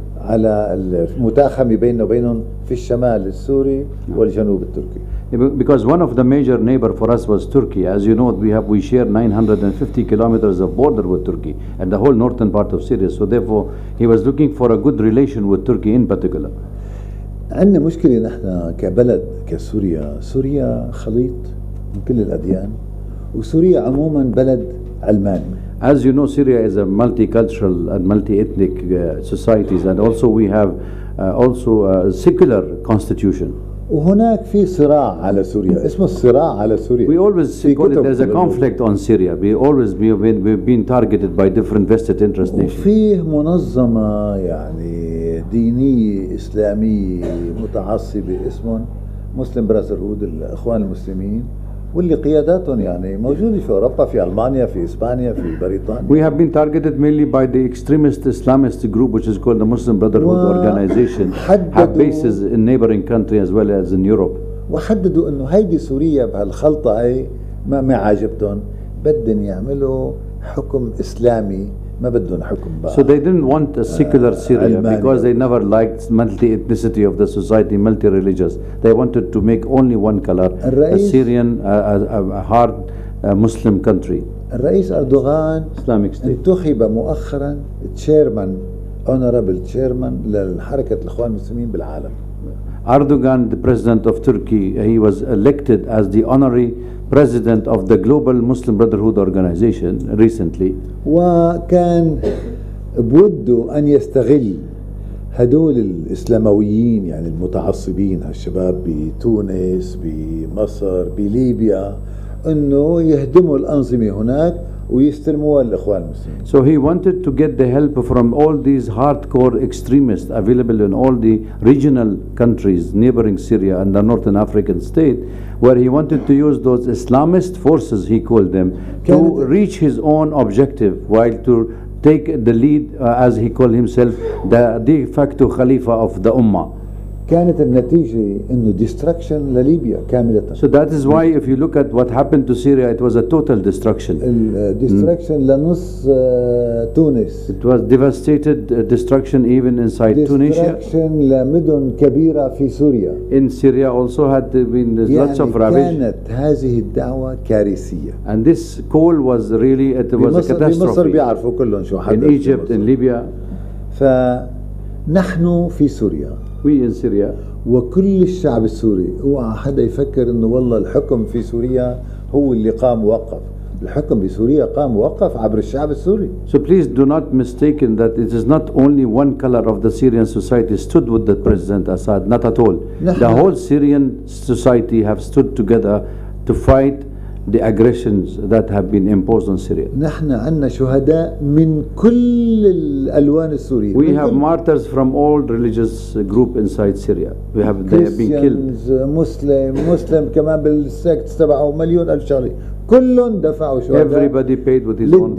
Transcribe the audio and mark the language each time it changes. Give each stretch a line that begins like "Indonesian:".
Arabic: على المتاخمة بيننا وبينهم في الشمال السوري والجنوب التركي.
English: Because one of the major neighbor for us was Turkey. As you know, we share 950 kilometers of border with Turkey and the whole northern part of Syria. So therefore, he was looking for a good relation with Turkey in particular.
Arabic: عندنا مشكلة نحن كبلد كسوريا. سوريا خليط من كل الأديان وسوريا عموما بلد علماني.
English: As you know, Syria is a multicultural and multi-ethnic societies, and also we have also a secular constitution.
Arabic: وهناك في صراع على سوريا. اسمه الصراع على سوريا.
English: We always call it there's a conflict on Syria. We've been targeted by different vested interest nations.
Arabic: وفيه منظمة يعني دينية إسلامية متعصبة اسمهم Muslim Brotherhood الإخوان المسلمين. واللي قياداتهم يعني موجودة في أوروبا في ألمانيا في إسبانيا في بريطانيا.
English: We have been targeted mainly by the extremist Islamist group which is called the Muslim Brotherhood organization. Have bases in neighboring country as well as in Europe.
Arabic: وحددوا إنه هيدي سوريا بهالخلطة هاي ما عاجبتهم بدهم يعملوا حكم إسلامي ما بدهم حكم بقى.
English: So they didn't want a secular Syria because they never liked multi-ethnicity of the society, multi-religious. They wanted to make only one color, a Syrian, a hard Muslim country.
Arabic: الرئيس أردوغان
English: Islamic State.
Arabic: انتخب مؤخرا
English: chairman, honorable chairman
Arabic: للحركة الإخوان المسلمين بالعالم.
English: Erdogan, the president of Turkey, he was elected as the honorary president of the Global Muslim Brotherhood Organization recently.
Arabic: وكان بوده أن يستغل هدول الإسلامويين يعني المتعصبين هالشباب بتونس بمصر بليبيا إنه يهدموا الأنظمة هناك ويستلموها الإخوان المسلمين.
English: So he wanted to get the help from all these hardcore extremists available in all the regional countries neighboring Syria and the northern African state, where he wanted to use those Islamist forces, he called them, to reach his own objective while to take the lead, as he called himself, the de facto Khalifa of the Ummah.
Arabic: كانت النتيجة إنه destruction لليبيا كاملة.
English: So that is why if you look at what happened to Syria, it was a total destruction.
Arabic: Destruction لنص تونس.
English: It was devastated destruction even inside Tunisia.
Arabic: Destruction لمدن كبيرة في سوريا.
English: In Syria also had been lots of ravage.
Arabic: كانت هذه الدعوة كارثية.
English: And this call was really it was a catastrophe.
Arabic: بمصر بيعرفوا كلهم شو حدث.
English: In Egypt, in Libya.
Arabic: فنحن في سوريا.
English: We in Syria.
Arabic: وكل الشعب السوري هو حدا يفكر انه والله الحكم في سوريا هو اللي قام وقف الحكم بسوريا قام وقف عبر الشعب السوري.
English: So please do not mistaken that it is not only one color of the Syrian society stood with the President Assad, not at all. The whole Syrian society have stood together to fight the aggressions that have been imposed on Syria.
Arabic: نحن عنا شهداء من كل الألوان السورية.
English: We have martyrs from all religious group inside Syria. We have they have been killed.
Arabic: Muslim كمان بالسكت تبعه مليون ألف شهري. كلهم دفعوا شهداء.
English: Everybody paid with his own blood.